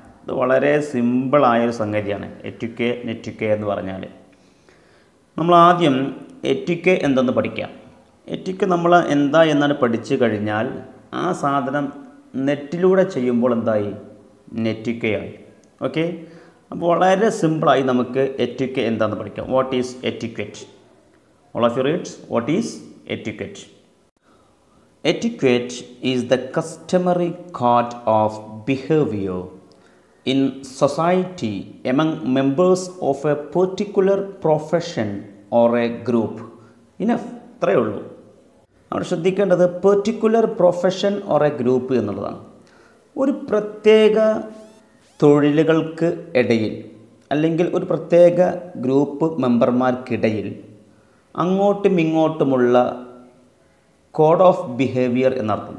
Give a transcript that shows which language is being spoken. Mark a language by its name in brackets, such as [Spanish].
[Malayalam] ഇത് വളരെ സിമ്പിളായൊരു സംഗതിയാണ്. എറ്റിക്വേ നെറ്റിക്വേ എന്ന് പറഞ്ഞാൽ നമ്മൾ ആദ്യം എറ്റിക്വേ എന്തെന്ന് പഠിക്കാം. എറ്റിക്വേ നമ്മൾ എന്താ എന്നാണ് പഠിച്ചു കഴിഞ്ഞാൽ ആ സാധനം നെറ്റിലൂടെ ചെയ്യുമ്പോൾ എന്തായി, നെറ്റിക്വേയായി. ഓക്കെ, അപ്പോൾ വളരെ സിമ്പിളായി നമുക്ക് എറ്റിക്വേ എന്താണെന്ന് പഠിക്കാം. [English] What is etiquette? All of you read, what is etiquette? Etiquette is the customary code of behavior in society among members of a particular profession or a group. [Malayalam] Enough, ഇത്രയേ ഉള്ളൂ. നമ്മൾ ശ്രദ്ധിക്കേണ്ടത് [English] particular profession or a group [Malayalam] എന്നുള്ളതാണ്. ഒരു പ്രത്യേക തൊഴിലുകൾക്ക് ഇടയിൽ അല്ലെങ്കിൽ ഒരു പ്രത്യേക ഗ്രൂപ്പ് മെമ്പർമാർക്കിടയിൽ അങ്ങോട്ടും ഇങ്ങോട്ടുമുള്ള കോഡ് ഓഫ് ബിഹേവിയർ എന്നർത്ഥം.